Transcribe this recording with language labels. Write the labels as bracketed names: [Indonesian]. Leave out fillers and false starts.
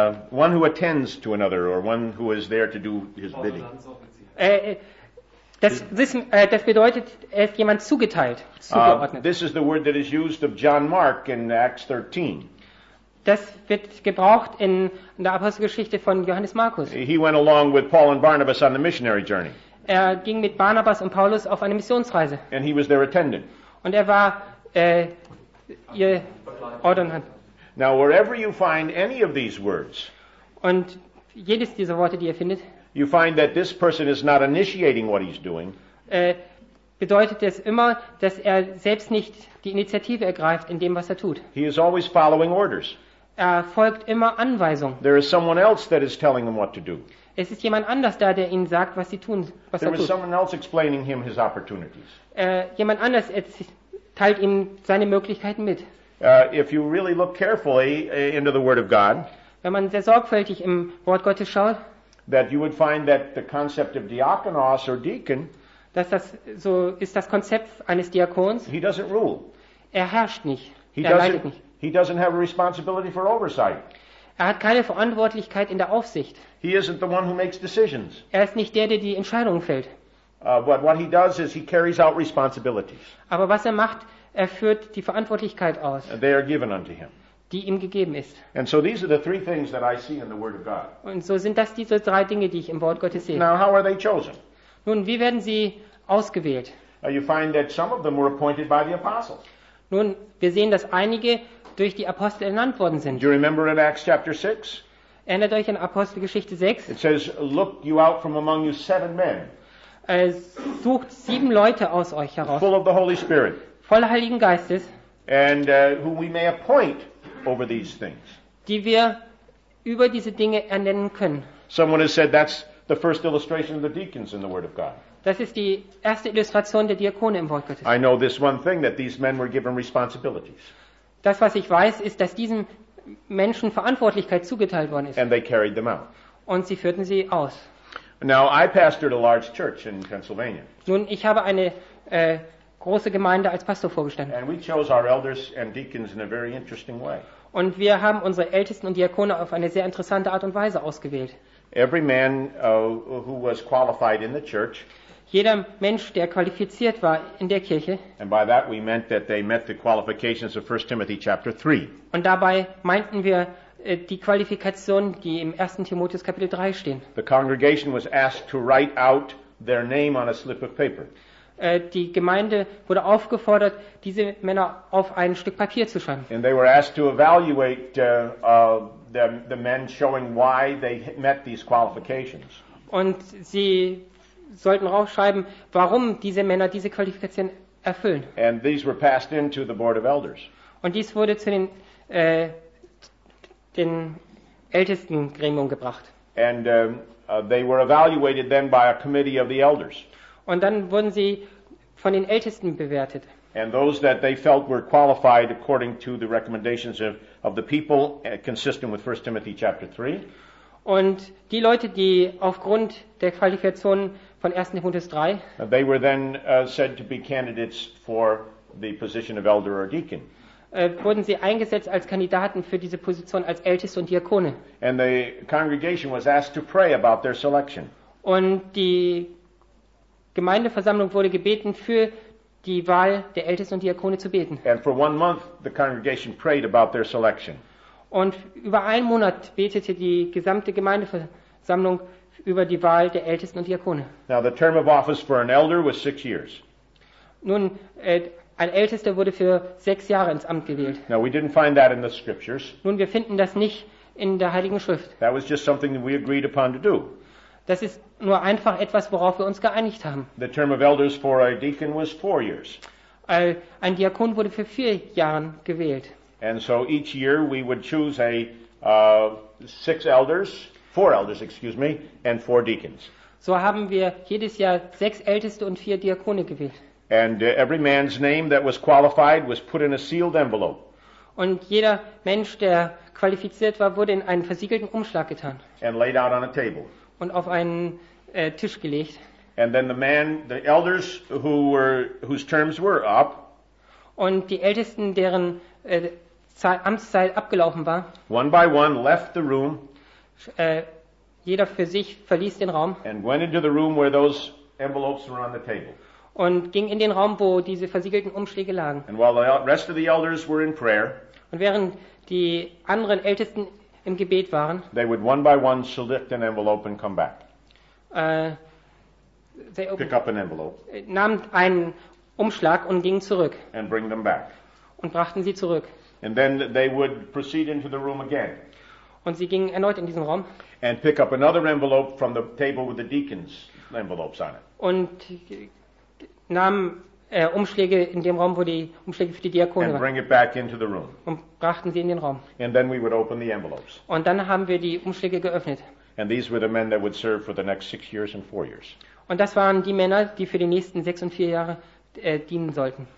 [English] One who attends to another, or one who is there to do his bidding. [German] Das bedeutet, er ist jemand zugeteilt, zugeordnet. [English] This is the word that is used of John Mark in Acts 13. [German] Das wird gebraucht in der Apostelgeschichte von Johannes Markus. [English] He went along with Paul and Barnabas on the missionary journey. [German] Er ging mit Barnabas und Paulus auf eine Missionsreise. [English] And he was their attendant. [German] Und er war ihr Ordnant. [English] Now, wherever you find any of these words, [German] und jedes dieser Worte, die ihr findet, [English] you find that this person is not initiating what he's doing. [German] Bedeutet es immer, dass er selbst nicht die Initiative ergreift in dem, was er tut. [English] He is always following orders. [German] Er folgt immer Anweisungen. [English] There is someone else that is telling him what to do. [German] Es ist jemand anders da, der ihnen sagt, was sie tun, was [English] there [German] er tut. [English] There is someone else explaining him his opportunities. [German] Jemand anders teilt ihm seine Möglichkeiten mit. [English] If you really look carefully into the Word of God, [German] wenn man sehr sorgfältig im Wort Gottes schaut, [English] that you would find that the concept of diakonos or deacon, [German] dass das so ist das Konzept eines Diakons, [English] he doesn't rule. [German] Er herrscht nicht. [English] He doesn't have a responsibility for oversight. [German] Er hat keine Verantwortlichkeit in der Aufsicht. [English] He isn't the one who makes decisions. [German] Er ist nicht der, der die Entscheidungen fällt. [English] But what he does is he carries out responsibilities. [German] Aber was er macht, er führt die Verantwortlichkeit aus. [English] They are given unto him. [German] die ihm gegeben ist. [English] And so these are the three things that I see in the Word of God. [German] Und so sind das diese drei Dinge, die ich im Wort Gottes sehe. [English] Now, how are they chosen? [German] Nun, wie werden sie ausgewählt? [English] You find that some of them were appointed by the apostles. [German] Nun, wir sehen, dass einige durch die Apostel ernannt worden sind. [English] Do you remember in Acts chapter 6? [German] Erinnert euch an Apostelgeschichte 6? [English] It says, look you out from among you seven men. [German] Sucht sieben Leute aus euch heraus. [English] Full of the Holy Spirit. [German] Voller Heiligen Geistes. [English] And who we may appoint over these things. [German] Die wir über diese Dinge ernennen können. [English] Someone has said that's the first illustration of the deacons in the Word of God. [German] Das ist die erste Illustration der Diakone im Wort Gottes. [English] I know this one thing, that these men were given responsibilities. [German] Das, was ich weiß, ist, dass diesen Menschen Verantwortlichkeit zugeteilt worden ist. [English] And they carried them out. [German] Und sie führten sie aus. [English] Now, I pastored a large church in Pennsylvania. [German] Nun, ich habe eine große Gemeinde als Pastor vorgestanden. [English] And we chose our elders and deacons in a very interesting way. [German] Und wir haben unsere Ältesten und Diakone auf eine sehr interessante Art und Weise ausgewählt. [English] Every man who was qualified in the church. [German] Jeder Mensch, der qualifiziert war in der Kirche. [English] And by that we meant that they met the qualifications of 1 Timothy chapter 3. [German] Und dabei meinten wir die Qualifikationen, die im 1. Timotheus Kapitel 3 stehen. [English] The congregation was asked to write out their name on a slip of paper. [German] Die Gemeinde wurde aufgefordert, diese Männer auf ein Stück Papier zu schreiben. [English] And they were asked to evaluate the men showing why they met these qualifications. [German] Und sie sollten aufschreiben, warum diese Männer diese Qualifikation erfüllen. [English] And these were passed into the board of elders. [German] Und dies wurde zu den ältesten Gremium gebracht. [English] And they were evaluated then by a committee of the elders. [German] Und dann wurden sie von den Ältesten bewertet. [English] And those that they felt were qualified according to the recommendations of the people, consistent with 1 Timothy chapter 3. [German] Und die Leute, die aufgrund der Qualifikation von 1. Timotheus 3, [English] they were then said to be candidates for the position of elder or deacon. [German] Wurden sie eingesetzt als Kandidaten für diese Position als Älteste und Diakone. [English] And the congregation was asked to pray about their selection. [German] Und die Gemeindeversammlung wurde gebeten, für die Wahl der Ältesten und Diakone zu beten. [English] And for one month, the congregation prayed about their selection. [German] Und über einen Monat betete die gesamte Gemeindeversammlung über die Wahl der Ältesten und Diakone. [English] Now the term of office for an elder was 6 years. [German] Nun, ein Ältester wurde für 6 Jahre ins Amt gewählt. [English] Now we didn't find that in the scriptures. [German] Nun, wir finden das nicht in der Heiligen Schrift. [English] That was just something that we agreed upon to do. [German] Das ist nur einfach etwas, worauf wir uns geeinigt haben. [English] The term of elders for a deacon was 4 years. [German] Ein Diakon wurde für 4 Jahre gewählt. [English] And so each year we would choose four elders, and 4 deacons. [German] So haben wir jedes Jahr 6 Älteste und 4 Diakone gewählt. [English] And every man's name that was qualified was put in a sealed envelope. [German] Und jeder Mensch, der qualifiziert war, wurde in einen versiegelten Umschlag getan. [English] And laid out on a table. [German] Und auf einen Tisch gelegt. [English] And then the man, the elders who were, whose terms were up. [German] Und die Ältesten, deren Amtszeit abgelaufen war. [English] One by one left the room. [German] Jeder für sich verließ den Raum. [English] And went into the room where those envelopes were on the table. [German] Und ging in den Raum, wo diese versiegelten Umschläge lagen. [English] And while the rest of the elders were in prayer. [German] Und während die anderen Ältesten im Gebet waren, [English] they would one by one select an envelope and come back. Pick up an envelope. [German] Nahm einen Umschlag und ging zurück. [English] And bring them back. [German] Und brachten sie zurück. [English] And then they would proceed into the room again. [German] Und sie gingen erneut in diesen Raum. [English] And pick up another envelope from the table with the deacons' envelopes on it. [German] Und nahm Umschläge in dem Raum, wo die Umschläge für die Diakone waren. [English] And bring it back into the room. [German] Und brachten sie in den Raum. [English] And then we would open the envelopes. [German] Und dann haben wir die Umschläge geöffnet. [English] And these were the men that would serve for the next 6 years and 4 years. [German] Und das waren die Männer, die für die nächsten 6 und 4 Jahre dienen sollten.